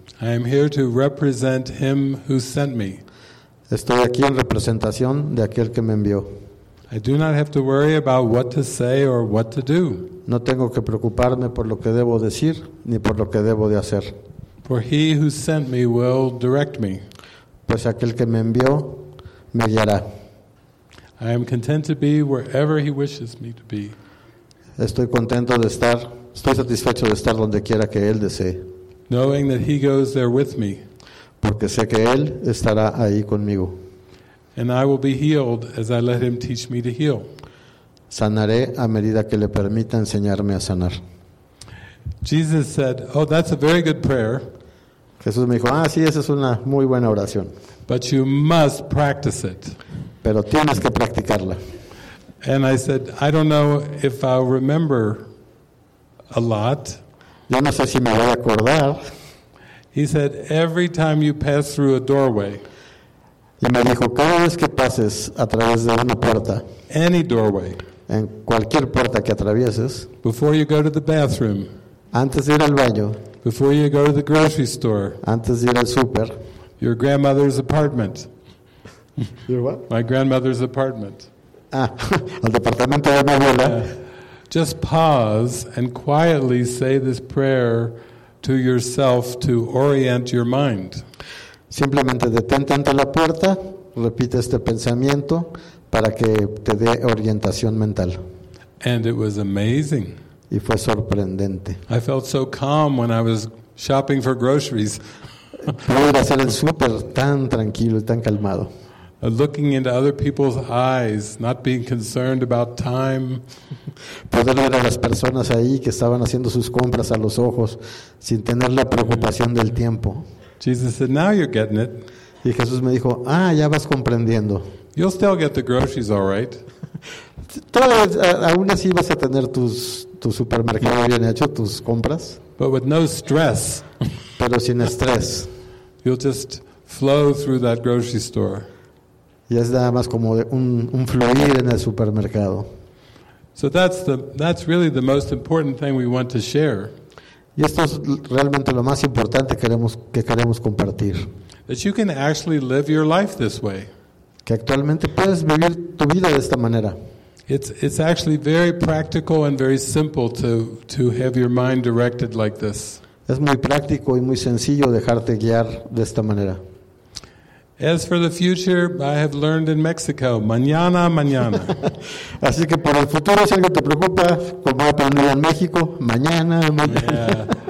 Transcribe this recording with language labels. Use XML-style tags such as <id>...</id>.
<en>I am here to represent him who sent me.</en> <es>Estoy aquí en representación de aquel que me envió.</es> <en>I do not have to worry about what to say or what to do.</en> <es>No tengo que preocuparme por lo que debo decir ni por lo que debo de hacer.</es> <en>For he who sent me will direct me.</en> <es>Pues aquel que me envió me guiará.</es> <en>I am content to be wherever he wishes me to be.</en> <es>Estoy contento de estar, estoy satisfecho de estar donde quiera que él desee.</es> <en>Knowing that he goes there with me.</en> <es>Porque sé que él estará ahí conmigo.</es> <en>And I will be healed as I let him teach me to heal.</en> <es>Sanaré a medida que le permita enseñarme a sanar.</es> <en>Jesus said, "Oh, that's a very good prayer."</en> <es>Jesús me dijo, "Ah, sí, esa es una muy buena oración."</es> <en>But you must practice it.</en> <es>Pero tienes que practicarla.</es> <en>And I said, "I don't know if I'll remember a lot."</en> <es>Yo no sé si me voy a acordar.</es> <en>He said, "Every time you pass through a doorway."</en> <es>Y me dijo, "Cada vez que pases a través de una puerta."</es> <en>Any doorway.</en> <es>En cualquier puerta que atravieses.</es> <en>Before you go to the bathroom.</en> <es>Antes de ir al baño.</es> <en>Before you go to the grocery store.</en> <es>Antes de ir al súper.</es> <en>Your grandmother's apartment. Your what? My grandmother's apartment.</en> <es>Ah, al departamento de mi abuela.</es> <en>Just pause and quietly say this prayer to yourself to orient your mind.</en> <es>Simplemente detente ante la puerta, repite este pensamiento para que te dé orientación mental.</es> <en>And it was amazing.</en> <es>Y fue sorprendente.</es> <en>I felt so calm when I was shopping for groceries.</en> <es>Pude hacer el súper tan tranquilo y tan calmado.</es> <en>Looking into other people's eyes, not being concerned about time.</en> <es>Poder ver a las personas ahí que estaban haciendo sus compras a los ojos, sin tener la preocupación del tiempo.</es> <en>Jesus said, "Now you're getting it."</en> <es>Y Jesús me dijo, "Ah, ya vas comprendiendo."</es> <en>You'll still get the groceries, all right.</en> <es>Aún así vas a tener tu supermercado bien hecho, tus compras.</es> <en>But with no stress.</en> <es>Pero sin estrés.</es> <en>You'll just flow through that grocery store.</en> <es>Y es nada más como un fluir en el supermercado.</es> <en>So that's really the most important thing we want to share.</en> <es>Y esto es realmente lo más importante que queremos compartir.</es> <en>That you can actually live your life this way.</en> <es>Que actualmente puedes vivir tu vida de esta manera.</es> <en>It's actually very practical and very simple to have your mind directed like this.</en> <es>Es muy práctico y muy sencillo dejarte guiar de esta manera.</es> <en>As for the future, I have learned in Mexico,</en> <es>mañana, mañana. Así que para el futuro, si algo te preocupa, como he aprendido en México, mañana, mañana.</es>